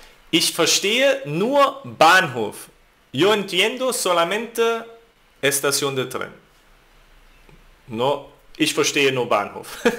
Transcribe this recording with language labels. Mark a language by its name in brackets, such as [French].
[German] Ich verstehe nur Bahnhof. [Spanish] Yo entiendo solamente estación de tren. [German] No, ich verstehe nur Bahnhof.